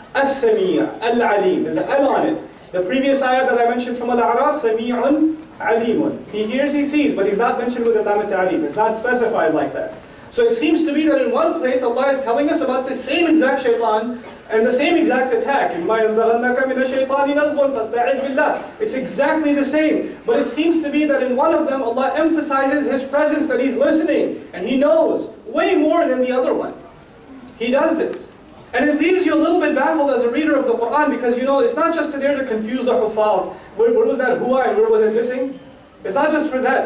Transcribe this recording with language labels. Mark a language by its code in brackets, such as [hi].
[ar] السَّمِيعَ الْعَلِيمُ [en] There's an al on it. The previous ayah that I mentioned from Al-A'raf, [ar] سَمِيعٌ عَلِيمٌ [en] He hears, he sees, but he's not mentioned with Al-Lam al-Ta'lim. It's not specified like that. So it seems to be that in one place, Allah is telling us about the same exact shaitan and the same exact attack. [ar] إِمَّا يَنْزَغَنَّكَ مِنَ الشَّيْطَانِ نَزْغٌ فَاسْتَعِذْ بِاللَّهِ [en] It's exactly the same. But it seems to be that in one of them, Allah emphasizes His presence, that He's listening, and He knows way more than the other one. He does this. And it leaves you a little bit baffled as a reader of the Qur'an because, you know, it's not just there to confuse the hufaz. Where was that huwa and where was it missing? It's not just for that.